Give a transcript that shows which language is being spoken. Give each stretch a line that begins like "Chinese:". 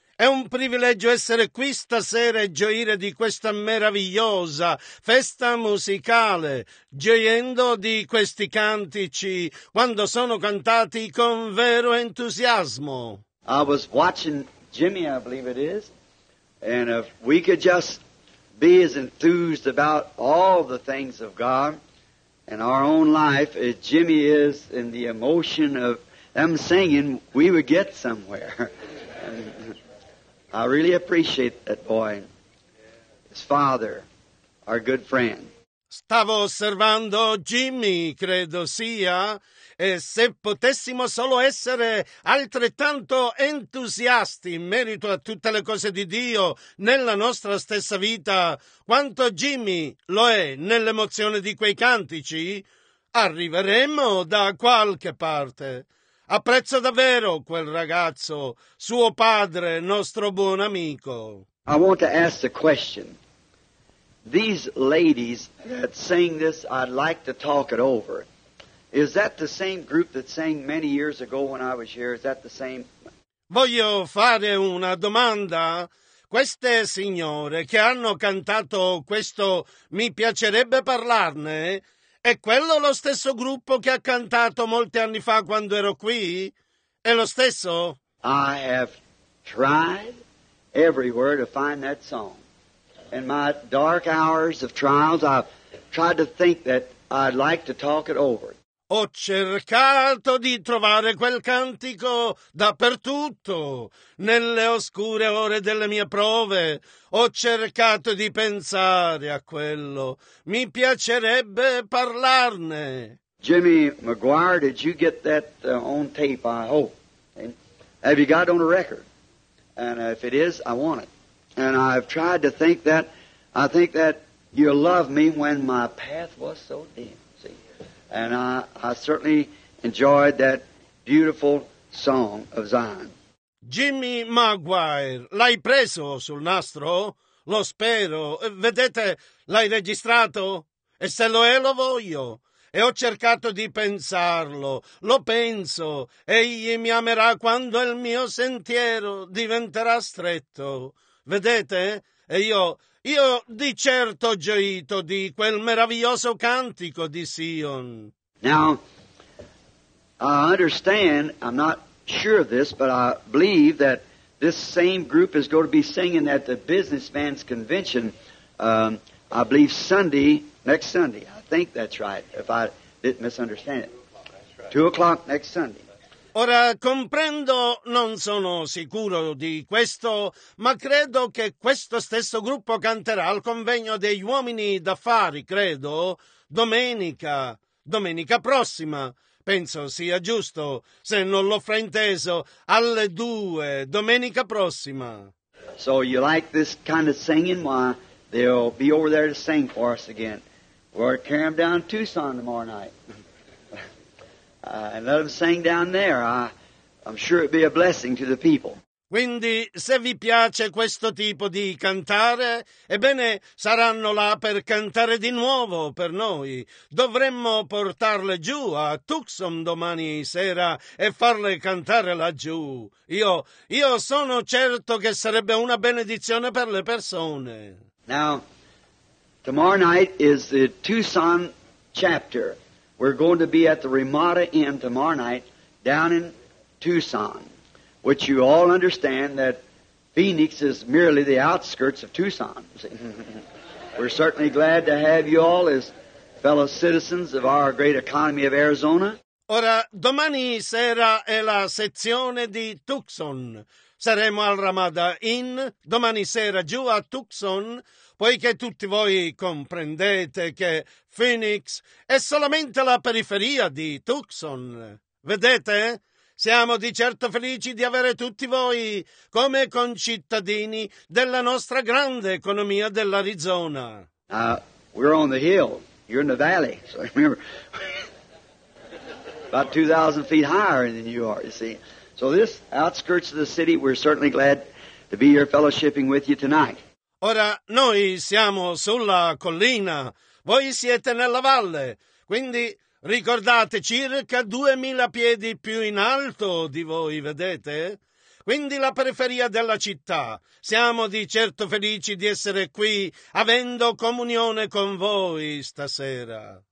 Italian: È un privilegio essere qui stasera e gioire di questa meravigliosa festa musicale, gioiendo di questi cantici quando sono cantati con vero entusiasmo.
English: I was watching Jimmy, I believe it is, and if we could just be as enthused about all the things of God and our own life as Jimmy is in the emotion of them singing, we would get somewhere. And I really appreciate that boy, his father, our good friend.
Italian: Stavo osservando Jimmy, credo sia, e se potessimo solo essere altrettanto entusiasti in merito a tutte le cose di Dio nella nostra stessa vita, quanto Jimmy lo è nell'emozione di quei cantici, arriveremo da qualche parte. Apprezzo davvero quel ragazzo, suo padre, nostro buon amico.
English: I want to ask a question. These ladies that sing this, I'd like to talk it over. Is that the same group that sang many years ago when I was here? Is that the same?
Italian: Voglio fare una domanda. Queste signore che hanno cantato questo, mi piacerebbe parlarne? È quello lo stesso gruppo che ha cantato molti anni fa quando ero qui? È lo stesso?
English: I have tried everywhere to find that song. In my dark hours of trials, I've tried to think that I'd like to talk it over.
Italian: Ho cercato di trovare quel cantico dappertutto, nelle oscure ore delle mie prove. Ho cercato di pensare a quello. Mi piacerebbe parlarne.
English: Jimmy McGuire, did you get that on tape, I hope? And have you got it on a record? And if it is, I want it. And I've tried to think that, I think that you loved me when my path was so dim, see. And I certainly enjoyed that beautiful song of Zion.
Italian: Jimmy Maguire, l'hai preso sul nastro? Lo spero. Vedete, l'hai registrato? E se lo è, lo voglio. E ho cercato di pensarlo. Lo penso. Egli mi amerà quando il mio sentiero diventerà stretto. Vedete? E io di certo ho gioito di quel meraviglioso cantico di Sion.
English: Now, I understand, I'm not sure of this, but I believe that this same group is going to be singing at the Businessman's Convention, I believe Sunday, next Sunday. I think that's right, if I didn't misunderstand it. 2 o'clock next Sunday.
Italian: Ora comprendo, non sono sicuro di questo, ma credo che questo stesso gruppo canterà al convegno degli uomini d'affari, credo, domenica prossima. Penso sia giusto, se non l'ho frainteso, alle 2, domenica prossima.
English: So you like this kind of singing? Why, they'll be over there to sing for us again. We'll carry them down to Tucson tomorrow night. And let them sing down there. I'm sure it'd be a blessing to the people.
Italian: Quindi, se vi piace questo tipo di cantare, ebbene, saranno là per cantare di nuovo per noi. Dovremmo portarle giù a Tucson domani sera e farle cantare laggiù. Io sono certo che sarebbe una benedizione per le persone.
English: Now, tomorrow night is the Tucson chapter. We're going to be at the Ramada Inn tomorrow night down in Tucson, which you all understand that Phoenix is merely the outskirts of Tucson. We're certainly glad to have you all as fellow citizens of our great economy of Arizona.
Italian: Ora, domani sera è la sezione di Tucson. Saremo al Ramada Inn domani sera giù a Tucson, poiché tutti voi comprendete che Phoenix è solamente la periferia di Tucson. Vedete? Siamo di certo felici di avere tutti voi come concittadini della nostra grande economia dell'Arizona.
English: We're on the hill. You're in the valley. So remember, about 2,000 feet higher than you are, you see. So this outskirts of the city, we're certainly glad to be here fellowshipping with you tonight.
Italian: Ora, noi siamo sulla collina, voi siete nella valle, quindi ricordate, circa 2,000 piedi più in alto di voi, vedete? Quindi la periferia della città. Siamo di certo felici di essere qui, avendo comunione con voi stasera.